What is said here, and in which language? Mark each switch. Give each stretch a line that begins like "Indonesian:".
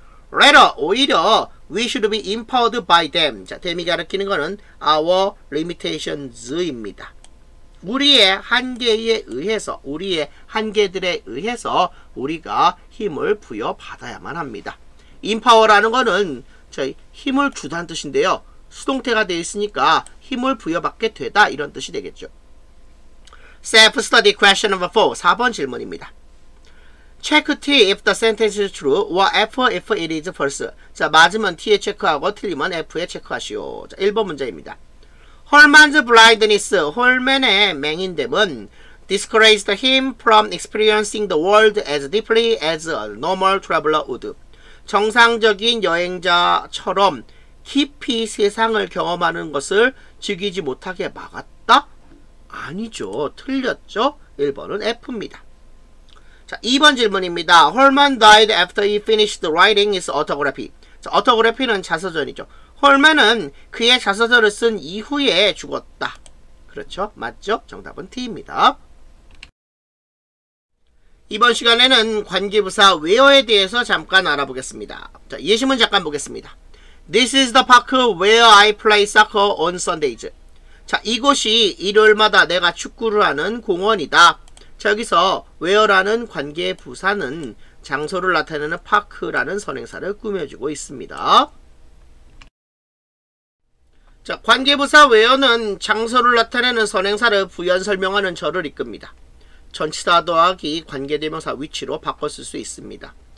English: rather,
Korean: 오히려
English: we should be empowered by them.
Korean: 자, them이 가리키는 거는 our limitations입니다. 우리의 한계에 의해서, 우리의 한계들에 의해서 우리가 힘을 부여받아야만 합니다. empower라는 거는 저희 힘을 주다는 뜻인데요. 수동태가 되어 있으니까 힘을 부여받게 되다, 이런 뜻이 되겠죠.
English: self-study question number 4,
Korean: 4번 질문입니다.
English: check T if the sentence is true or F if it is false.
Korean: 자, 맞으면 T에 체크하고 틀리면 F에 체크하시오. 자, 1번 문제입니다.
English: Holman's blindness,
Korean: 홀맨의 맹인됨은
English: discouraged him from experiencing the world as deeply as a normal traveler would.
Korean: 정상적인 여행자처럼 깊이 세상을 경험하는 것을 즐기지 못하게 막았다? 아니죠. 틀렸죠. 1번은 F입니다. 자, 2번 질문입니다.
English: Holman died after he finished writing his autobiography.
Korean: 자, autobiography는 자서전이죠. 홀맨은 그의 자서전을 쓴 이후에 죽었다. 그렇죠? 맞죠? 정답은 T입니다. 이번 시간에는 관계부사 where에 대해서 잠깐 알아보겠습니다. 자, 예시문 잠깐 보겠습니다.
English: This is the park where I play soccer on Sundays.
Korean: 자, 이곳이 일요일마다 내가 축구를 하는 공원이다. 자, 여기서 where라는 관계부사는 장소를 나타내는 park라는 선행사를 꾸며주고 있습니다. 자, 관계부사 where는 장소를 나타내는 선행사를 부연 설명하는 절을 이끕니다. 전치사 더하기 관계대명사 위치로 바꿨을 수 있습니다.